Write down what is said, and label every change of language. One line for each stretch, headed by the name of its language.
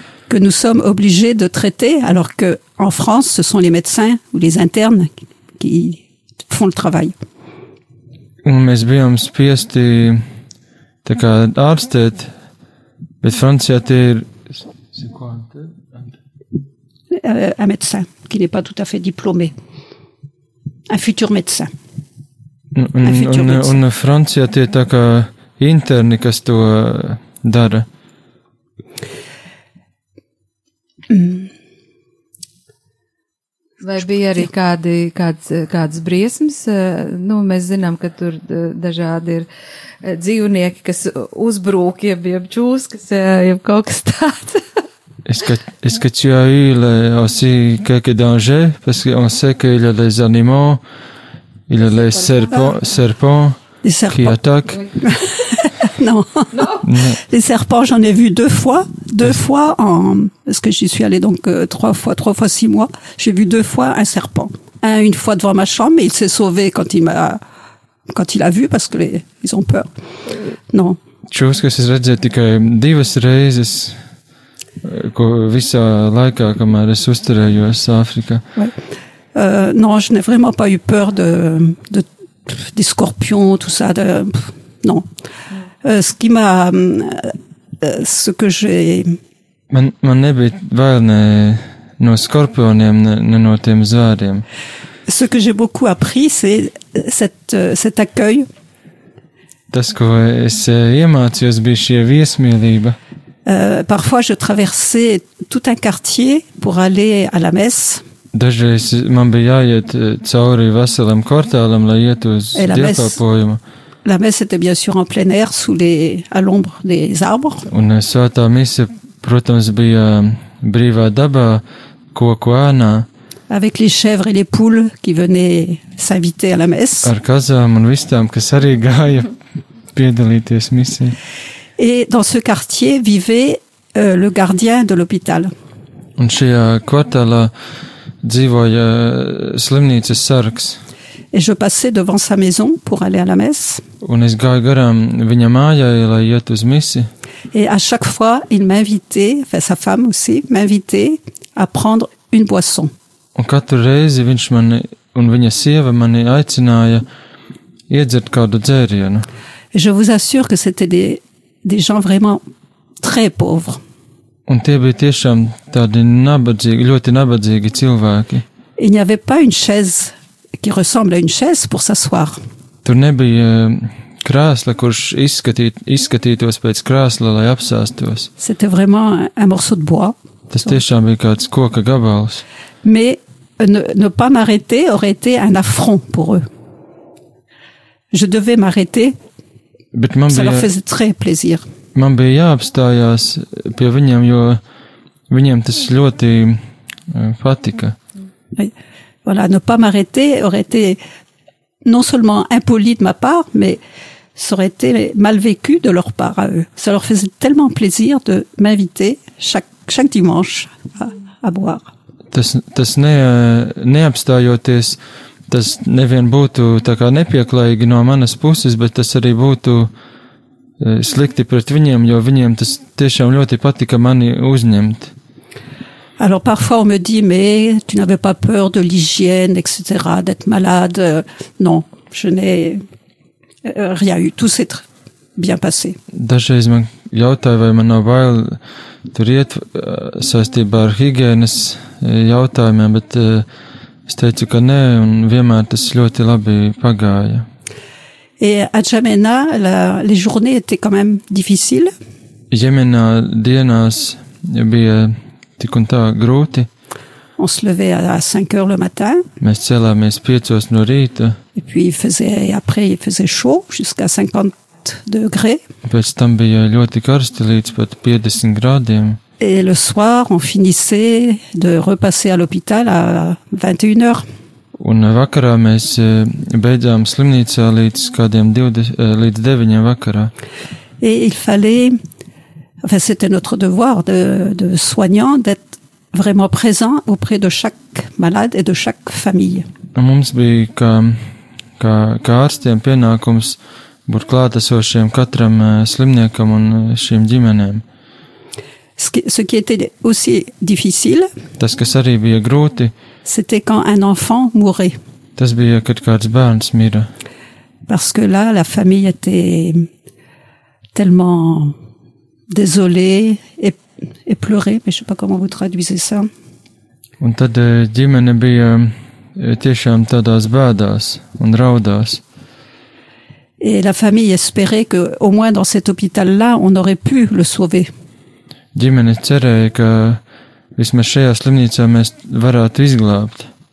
French: Que nous sommes obligés de traiter, alors que en France, ce sont les médecins ou les internes qui font le travail.
Latvian: Un mēs bijām spiesti tā kā ārstēt, bet Francijā tie ir...
French: Un médecin qui n'est pas tout à fait diplômé. Un futur médecin.
Latvian: Un Francijā tie tā kā interni, kas to dara. Vai bija arī kādi, kāds briesmas? Nu, mēs zinām, ka tur dažādi ir dzīvnieki, kas uzbrūk, jeb čūskas, jeb kaut kas tāds.
French: Est-ce que tu as eu aussi quelques dangers? Parce qu'on sait qu'il y a les animaux, il y a les serpents qui attaquent. Non. Les serpents, j'en ai vu deux fois en, parce que j'y suis allée donc trois fois six mois. J'ai vu deux fois un serpent. Une fois devant ma chambre, mais il s'est sauvé quand il a vu parce que ils ont peur. Non. Tu vois ce que c'est vrai, c'est que
Latvian: divas reizes. Ko visā laikā, kamēr es uzturējos Āfrikā.
French: Non, je n'ai vraiment pas eu peur des scorpions, tout ça, non. Ce que j'ai...
Latvian: Man nebija vēl ne no skorpioniem, ne no tiem zvēriem.
French: Ce que j'ai beaucoup appris, c'est cet accueil.
Latvian: Tas, ko es iemācījos, bija šie viesmīlība.
French: Parfois, je traversais tout un quartier pour aller à la messe.
Latvian: Dažreiz man bija jāiet cauri veselam kvartālam, lai iet uz dievkalpojumu.
French: La messe était bien sûr en plein air, à l'ombre des arbres.
Latvian: Un svētā mise, protams, bija brīvā dabā, koku ēnā.
French: Avec les chèvres et les poules qui venaient s'inviter à la messe.
Latvian: Ar kazām un vistām, kas arī gāja piedalīties misē.
French: Et dans ce quartier vivait le gardien de l'hôpital.
Latvian: Un šajā kvartālā dzīvoja slimnīcas sargs.
French: Et je passais devant sa maison pour aller à la messe.
Latvian: Un es gāju garām viņa mājai, lai iet uz misi.
French: Et à chaque fois, il m'invitait, enfin sa femme aussi, m'invitait à prendre une boisson.
Latvian: Un katru reizi viņš mani, un viņa sieva mani aicināja iedzert kādu dzērienu.
French: Et je vous assure que c'était des gens vraiment très pauvres.
Latvian: Un tie bija tiešām tādi nabadzīgi, ļoti nabadzīgi cilvēki.
French: Il n'y avait pas une chaise qui ressemble à une chaise pour s'asseoir.
Latvian: Tur nebija krēsla, kurš izskatītos pēc krēsla, lai apsēstos.
French: C'était vraiment un morceau de bois.
Latvian: Tas tiešām bija kāds koka gabals.
French: Mais ne pas m'arrêter aurait été un affront pour eux. Je devais m'arrêter.
Latvian: Bet man bija,
French: ça leur faisait très plaisir.
Latvian: Man bija jāapstājās pie viņiem, jo viņiem tas ļoti patika.
French: Voilà, ne pas m'arrêter aurait été non seulement impoli de ma part, mais ça aurait été mal vécu de leur part à eux. Ça leur faisait tellement plaisir de m'inviter chaque dimanche à boire.
Latvian: Tas neapstājoties... Tas nevien būtu tā kā nepieklājīgi no manas puses, bet tas arī būtu slikti pret viņiem, jo viņiem tas tiešām ļoti patika mani uzņemt.
French: Alors parfois on me dit, mais tu n'avais pas peur de l'hygiène, etc., d'être malade. Non, je n'ai rien eu. Tout s'est bien passé.
Latvian: Dažreiz man jautāja, vai man nav bail tur iet saistībā ar higienas jautājumiem, bet... Es teicu, ka nē, un vienmēr tas ļoti labi pagāja.
French: Et à Djamena, les journées étaient quand même difficiles.
Latvian: Djamena dienās bija tik un tā grūti.
French: On se levait à 5 heures le matin.
Latvian: Mēs cēlāmies 5 no rīta.
French: Et puis il faisait chaud jusqu'à 50 degrés.
Latvian: Pēc tam bija ļoti karsti līdz pat 50 grādiem.
French: Et le soir, on finissait de repasser à l'hôpital à 21h.
Latvian: Un vakarā mēs beidzām slimnīcā līdz kādiem 9 vakarā.
French: Et il fallait, enfin c'était notre devoir de soignant d'être vraiment présent auprès de chaque malade et de chaque famille.
Latvian: Un mums bija kā ārstiem pienākums būt klātesošiem katram slimniekam un šīm ģimenēm.
French: Ce qui était aussi difficile,
Latvian: tas, kas arī bija grūti,
French: c'était quand un enfant mourait.
Latvian: Tas bija, kad kāds bērns mira.
French: parce que là, la famille était tellement désolée et pleurée, mais je sais pas comment vous traduisez ça.
Latvian: Un tad ģimene bija tiešām tādās bēdās un raudās.
French: Et la famille espérait que au moins dans cet hôpital là, on aurait pu le sauver.
Latvian: Ģimene cerēja, ka vismaz šajā slimnīcā mēs varētu izglābt.